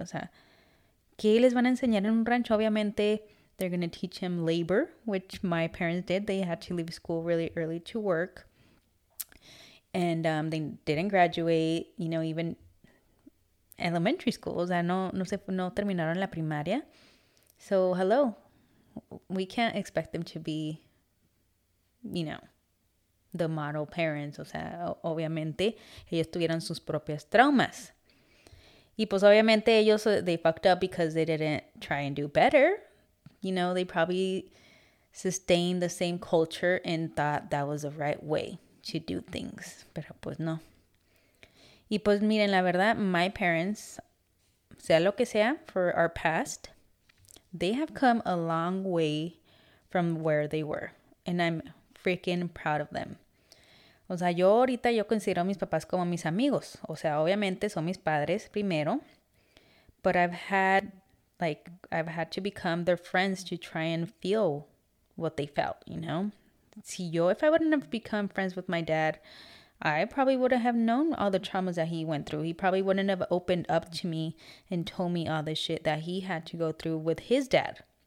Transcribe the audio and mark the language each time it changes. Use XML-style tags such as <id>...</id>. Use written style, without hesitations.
<es>O sea, ¿qué les van a enseñar en un rancho?</es> <en>Obviamente, they're going to teach him labor, which my parents did. They had to leave school really early to work. And they didn't graduate, you know, even elementary school.</en> <es>O sea, no terminaron la primaria.</es> <en>So, hello. We can't expect them to be, you know, the model parents.</en> <es>O sea, obviamente, ellos tuvieron sus propias traumas. Y pues obviamente ellos,</es> <en>they fucked up because they didn't try and do better. You know, they probably sustained the same culture and thought that was the right way to do things.</en> <es>Pero pues no. Y pues miren, la verdad,</es> <en>my parents,</en> <es>sea lo que sea,</es> <en>for our past, they have come a long way from where they were. And I'm freaking proud of them.</en> <es>O sea, yo ahorita yo considero a mis papás como mis amigos. O sea, obviamente son mis padres primero.</es> <en>But I've had to become their friends to try and feel what they felt, you know?</en> <es>Si yo,</es> <en>if I wouldn't have become friends with my dad, I probably wouldn't have known all the traumas that he went through. He probably wouldn't have opened up to me and told me all the shit that he had to go through with his dad.</en>